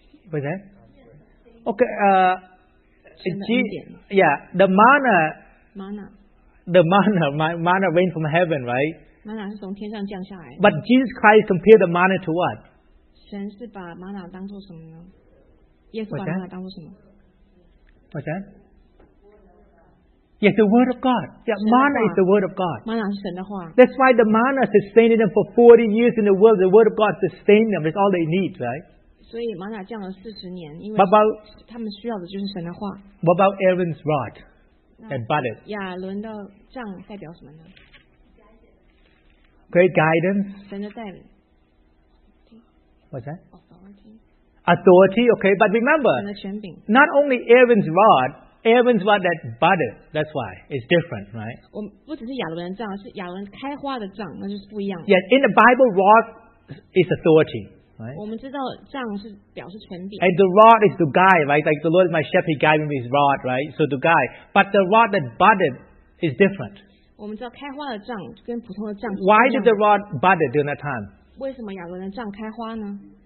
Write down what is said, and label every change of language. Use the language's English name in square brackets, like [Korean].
[English] What's that? Okay, the manna. Manna. The manna, manna rain from heaven, right? Manna is from [Chinese] 天上降下来. [English] But Jesus Christ compared the manna to what? [Chinese] 神是把 manna 当作什么呢?耶稣把 manna 当作什么? [English] What's that? Yes, the word of God. Yeah, manna is the word of God. Manna is [Chinese] 神的话. [English] That's why the manna sustained them for 40 years in the world. The word of God sustained them. It's all they need, right? So [Chinese] manna 降了四十年，因为他们需要的就是神的话. [English] What about Aaron's rod and budded? [Chinese] 亚伦的杖代表什么呢? [English] Great guidance. [Chinese] 神的带领. [English] What's that? Authority. Authority, okay. But remember, not only Aaron's rod. Aaron's rod that budded, that's why. It's different, right? [Chinese] 我不只是亚伦的杖，是亚伦开花的杖，那就是不一样。 [English] Yeah, in the Bible, rod is authority, right? [Chinese] 我们知道杖是表示权柄。 [English] And the rod is to guide, right? Like the Lord is my shepherd, he guided me with his rod, right? So to guide. But the rod that budded is different. [Chinese] 我们知道开花的杖跟普通的杖。 [English] Why did the rod bud during that time? [Chinese] 为什么亚伦的杖开花呢？